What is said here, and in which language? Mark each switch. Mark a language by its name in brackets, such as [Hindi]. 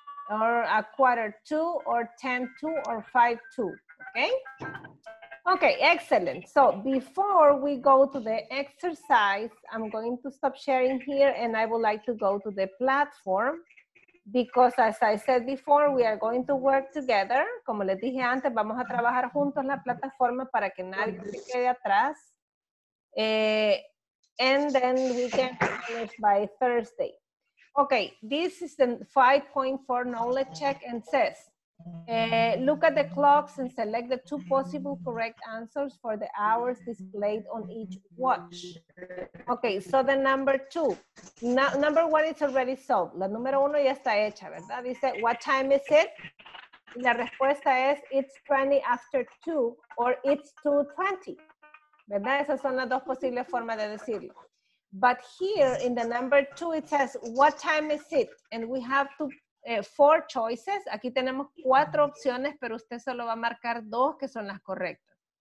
[English] Or 1:45 or 10:20 or 5:20, okay? Okay, excellent. So before we go to the exercise, I'm going to stop sharing here and I would like to go to the platform because as I said before, we are going to work together. [Spanish] Como les dije antes, vamos a trabajar juntos en la plataforma para que nadie se quede atrás. [English] And then we can finish by Thursday. Okay, this is the 5.4 knowledge check and says, look at the clocks and select the two possible correct answers for the hours displayed on each watch. Okay, so the number two. Number one is already solved. [Spanish] La número uno ya está hecha, ¿verdad? Dice, [English] what time is it? [Spanish] La respuesta es, [English] it's 2:20 or it's 2:20. [Spanish] ¿Verdad? Esas son las dos posibles formas de decirlo. [English] But here in the number two, it says, what time is it? And we have four choices. [Spanish] Aquí tenemos 4 opciones, pero usted solo va a marcar 2 que son las correctas.